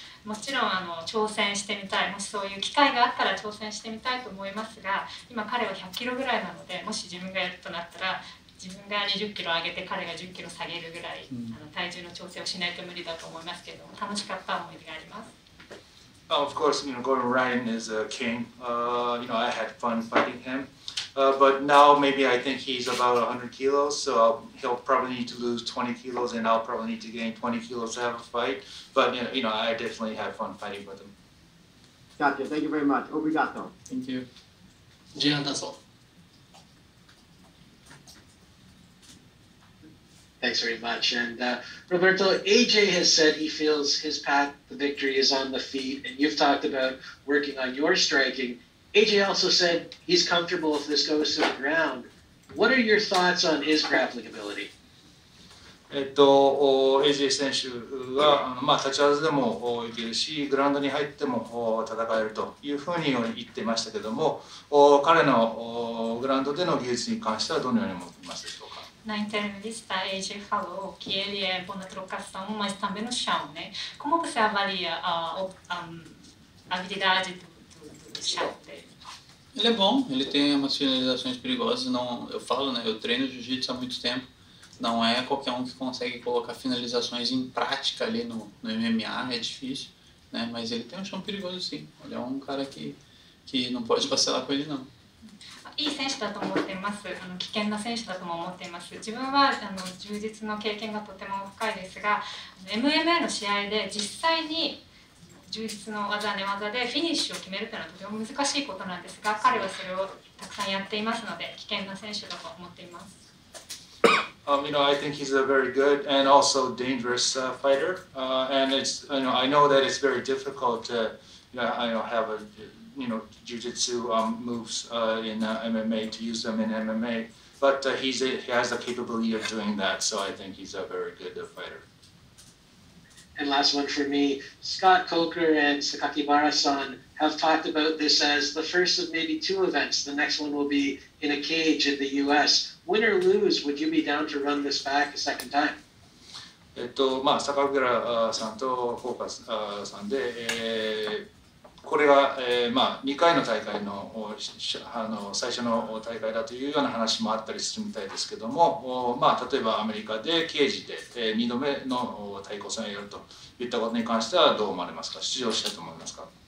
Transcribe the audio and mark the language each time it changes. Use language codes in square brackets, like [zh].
[ja] もちろんあの挑戦してみたい、もしそういう機会があったら挑戦してみたいと思いますが、今彼は100キロぐらいなので、もし自分がやるとなったら、自分が20キロ上げて彼が10キロ下げるぐらい、あの体重の調整をしないと無理だと思いますけど、楽しかった思い出があります。 [en] Of course, you know, Gordon Ryan is a king. You know, I had fun fighting him. But now maybe I think he's about 100 kilos, so he'll probably need to lose 20 kilos and I'll probably need to gain 20 kilos to have a fight. But, you know, I definitely had fun fighting with him. Gotcha. Thank you very much. [pt] Obrigado. [en] Thank you. Jihan Tassel. Thanks very much. And Roberto, AJ has said he feels his path to victory is on the feet, and you've talked about working on your striking. AJ also said he's comfortable if this goes to the ground. What are your thoughts on his grappling ability? [ja] AJ 選手は、まあ、立ち技でもいけるし、グラウンドに入っても戦えるというふうに言ってましたけども、彼のグラウンドでの技術に関してはどのように思いますか？ [pt] Na entrevista, AJ falou que ele é bom na trocação, mas também no chão, né? Como você avalia a habilidade do chão dele? Ele é bom, ele tem umas finalizações perigosas. Não, eu falo, né? Eu treino jiu-jitsu há muito tempo. Não é qualquer um que consegue colocar finalizações em prática ali no MMA, é difícil, né? Mas ele tem um chão perigoso, sim. Ele é um cara que não pode vacilar com ele, não. [ja] いい選手だと思っています。あの危険な選手だとも思っています。自分はあの充実の経験がとても深いですが、 MMA の試合で実際に充実の技寝技でフィニッシュを決めるというのはとても難しいことなんですが、彼はそれをたくさんやっていますので危険な選手だと思っています。 [en] You know, I think he's a very good and also dangerous fighter, and it's, you know, I know that it's very difficult to, you know, have a, you know, jiu-jitsu moves in MMA, to use them in MMA, but he has the capability of doing that, so I think he's a very good fighter. And last one for me, Scott Coker and Sakakibara-san have talked about this as the first of maybe two events. The next one will be in a cage in the U.S. Win or lose, would you be down to run this back a second time? [ja] まあ、Sakakibara-san と Coker-san で、これが、まあ、2回の大会 の最初の大会だというような話もあったりするみたいですけども、まあ、例えばアメリカでケージで、2度目の対抗戦をやるといったことに関してはどう思われますか？出場したいと思いますか？